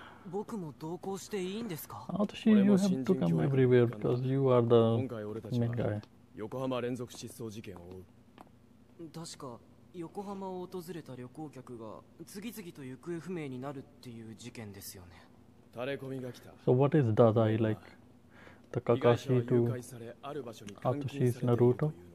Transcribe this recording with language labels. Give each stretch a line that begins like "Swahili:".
Japanese: 僕も同行していいんですか。
English: Atoshi, you have to come everywhere because you are the main guy.
Japanese: 横浜連続失踪事件を追う。確か横浜を訪れた旅行客が次々と行方不明になるっていう事件ですよね。垂れ込みが来た。
English: So what is Dadai like? The Kakashi to Atsushi's Naruto?